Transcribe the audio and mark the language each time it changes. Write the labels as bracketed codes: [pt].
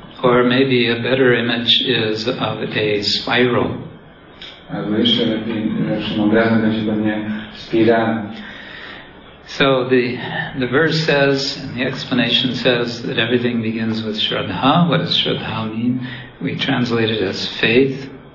[en] Or maybe a better image is of a spiral. [pl] Albo jeszcze lepszym obrazem będzie pewnie spirala. [en] So the verse says, and the explanation says, that everything begins with Shraddha. What does Shraddha mean? We translate it as faith.